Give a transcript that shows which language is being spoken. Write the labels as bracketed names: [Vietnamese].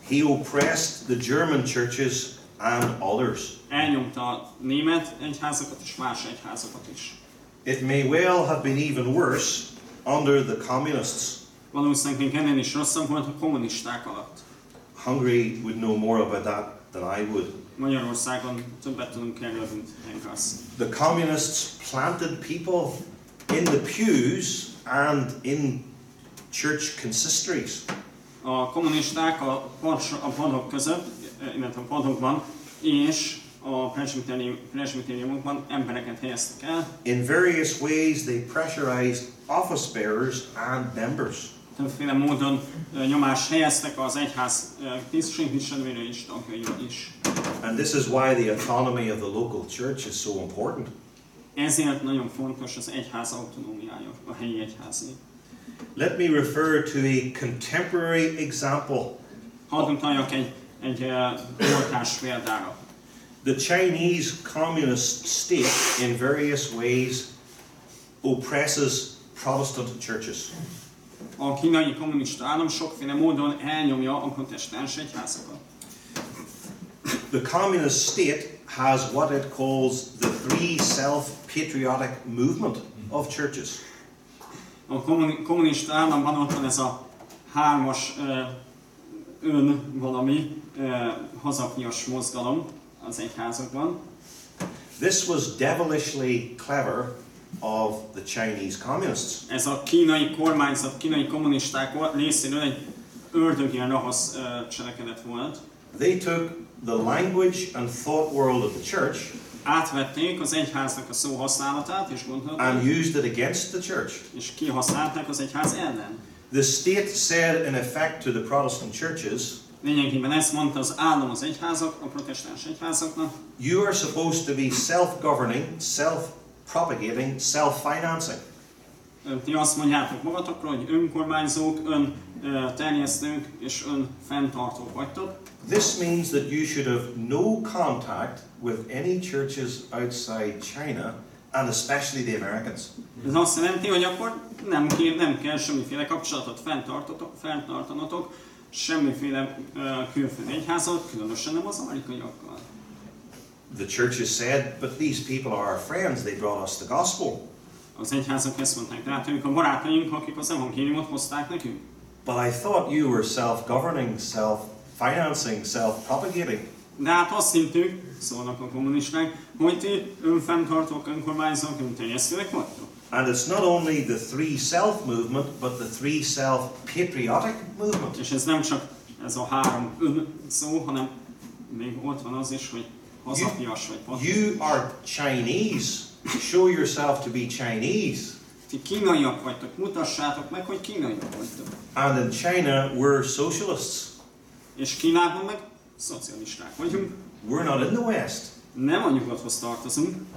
[English] He oppressed the German churches and others. [Hungarian] Elnyomta német egyházakat és más egyházakat is. [English] It may well have been even worse under the communists. [Hungarian] Valószínűleg még ennél is rosszabb volt a kommunisták alatt. [English] Hungary would know more about that than I would. [Hungarian] Magyarországon többet tudunk erről, mint Angus. [English] The communists planted people in the pews and in church consistories. [Hungarian] A kommunisták a padok között, illetve a padokban, és a presbitériumokban embereket helyeztek el. [English] In various ways they pressurized office bearers and members. [Hungarian] Többféle módon nyomást helyeztek az egyház tisztségviselőire és tagjaira is. [English] And this is why the autonomy of the local church is so important. [Hungarian] Ezért nagyon fontos az egyház autonómiája, a helyi egyházé. [English] Let me refer to a contemporary example. [Hungarian] Hadd utaljak egy voltás példára. [English] The Chinese communist state in various ways oppresses Protestant churches. [Hungarian] A kínai kommunista állam sokféle módon elnyomja a protestáns egyházakat. [English] The communist state has what it calls the three self-patriotic movement of churches. [Hungarian] A kommunista államban ott van ez a hármas önvalami hazafias mozgalom, a az egyházakban. [English] This was devilishly clever of the Chinese communists. [Hungarian] Ez a kínai kormányzat, kínai kommunisták részéről egy ördögilyen rahasz cselekedet volt. [English] They took the language and thought world of the church. [Hungarian] Átvették az egyháznak a szó használatát és gondolatát. [English] And used it against the church. [Hungarian] És kihasználták az egyház ellen. [English] The state said in effect to the Protestant churches. [Hungarian] Lényegében ezt mondta az állam az egyházak, a protestáns egyházaknak. [English] You are supposed to be self-governing, self-propagating, self-financing. [Hungarian] Ti azt mondjátok magatokról, hogy önkormányzók, önterjesztők és önfenntartók vagytok. [English] This means that you should have no contact with any churches outside China, and especially the Americans. [Hungarian] Ez azt jelenti, hogy akkor nem kell semmiféle kapcsolatot fenntartanatok, semmiféle külföldi egyházat, különösen nem az amerikaiakkal. [English] The churches said, but these people are our friends, they brought us the gospel. [Hungarian] Az egyházak ezt mondták, de hát ők a barátaink, akik az evangéliumot hozták nekünk. [English] But I thought you were self-governing, self-financing, self-propagating. [Hungarian] De hát azt hittük, szólnak a kommunisták, hogy ti önfenntartók, önkormányzók, önterjesztőek vagytok. [English] And it's not only the three self movement, but the three self patriotic movement. És ez nem csak ez a három ön szó, hanem még ott van az is, hogy hazafias vagy patriotikus. You are Chinese. Show yourself to be Chinese. [Hungarian] Ti kínaiak vagytok. Mutassátok meg, hogy kínaiak vagytok. [English] And in China, we're socialists. [Hungarian] És Kínában meg szocialisták vagyunk. [English] We're not in the West. [Hungarian] Nem a nyugathoz tartozunk.